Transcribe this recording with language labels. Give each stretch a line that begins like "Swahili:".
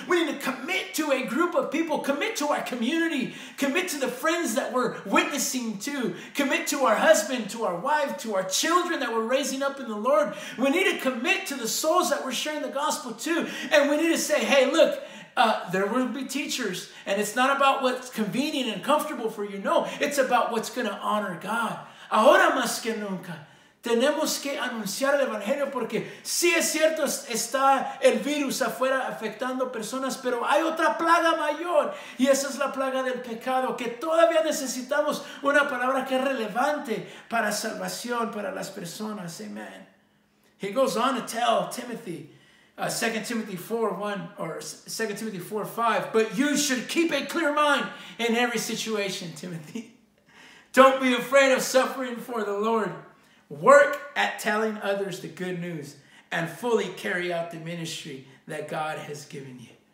English: We need to commit to a group of people, commit to our community, commit to the friends that we're witnessing to, commit to our husband, to our wife, to our children that we're raising up in the Lord. We need to commit to the souls that we're sharing the gospel to. And we need to say, hey, look, there will be teachers. And it's not about what's convenient and comfortable for you. No, it's about what's going to honor God.
Spanish: Ahora más que nunca, tenemos que anunciar el evangelio porque sí es cierto está el virus afuera afectando personas, pero hay otra plaga mayor y esa es la plaga del pecado que todavía necesitamos una palabra que es relevante para salvación para las personas.
English: Amen. He goes on to tell Timothy, 2 Timothy 4:5, but you should keep a clear mind in every situation, Timothy. Don't be afraid of suffering for the Lord. Work at telling others the good news and fully carry out the ministry that God has given you.